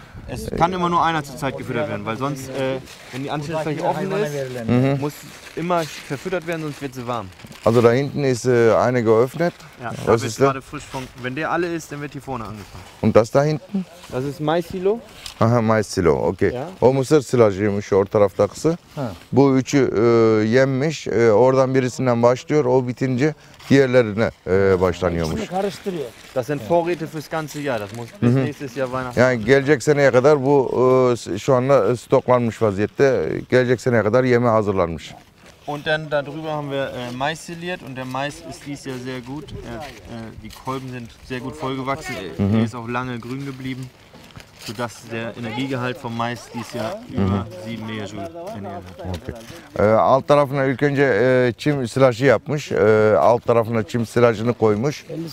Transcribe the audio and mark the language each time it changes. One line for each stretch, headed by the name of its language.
German: Es kann immer nur einer zurzeit gefüttert werden, weil sonst, wenn die Anschlussfläche offen ist, muss immer verfüttert werden, sonst wird sie warm. Also da hinten ist eine geöffnet. Ja, das da ist gerade frisch von. Wenn der alle ist, dann wird hier vorne angefangen. Und das da hinten? Das ist Mais-Silo. Aha, Mais-Silo, okay. Ja.
Turkish: O Mısır silajıymış, o taraftakısı. Bu üçü yenmiş, oradan birisinden başlıyor, o bitince diğerlerine başlanıyormuş. Bunu karıştırıyor.
German: Das sind Vorräte fürs ganze Jahr. Das muss bis nächstes Jahr Weihnachten.
Turkish: Yani gelecek seneye kadar bu şu anda stoklanmış vaziyette. Gelecek seneye kadar yeme hazırlanmış.
German: Und dann darüber haben wir Mais siliert und der Mais ist dies Jahr sehr gut. Die Kolben sind sehr gut vollgewachsen. Er ist auch lange grün geblieben, sodass der Energiegehalt vom Mais dies Jahr über 7 Megajoule ernährt hat. Okay.
Turkish: Alt tarafına ilk önce çim silajı yapmış. Alt tarafına çim silajını koymuş.